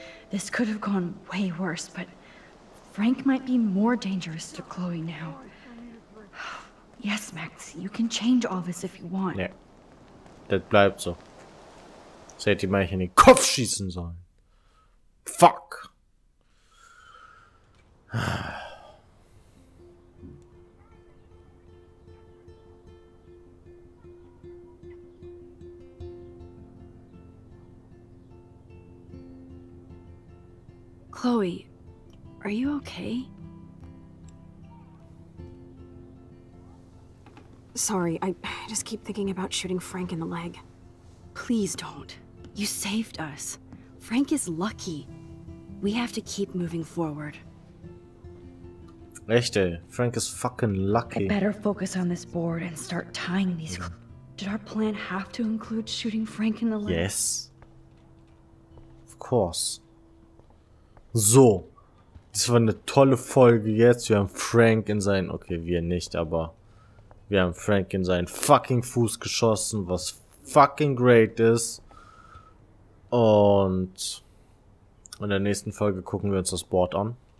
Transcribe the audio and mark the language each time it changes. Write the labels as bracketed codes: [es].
[en] This could have gone way worse, but Frank might be more dangerous to Chloe now. Yes, Max, you can change all this if you want. [de] Yeah. Das bleibt so. Seht ihr mal hier in den Kopf schießen sollen. [en] Fuck. Chloe, are you okay? Sorry, I just keep thinking about shooting Frank in the leg. Please don't. You saved us. Frank is lucky. We have to keep moving forward. Echte, Frank is fucking lucky. I better focus on this board and start tying these Did our plan have to include shooting Frank in the leg? Yes. Of course. [de] So, das war eine tolle Folge jetzt. Wir haben Frank in seinen... Okay, wir nicht, aber... Wir haben Frank in seinen fucking Fuß geschossen, was [en] fucking great [de] ist. Und... In der nächsten Folge gucken wir uns das Board an.